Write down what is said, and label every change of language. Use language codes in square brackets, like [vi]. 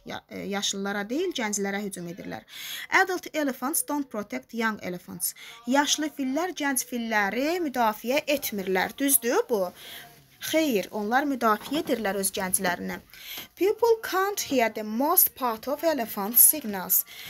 [az] Yaşlılara deyil, gənclərə hücum edirlər. [en] Adult elephants don't protect young elephants. [az] Yaşlı fillər gənc filləri müdafiə etmirlər. Düzdür bu. Xeyr, onlar müdafiə edirlər öz gənclərini. [en] People can't hear the most part of elephant signals.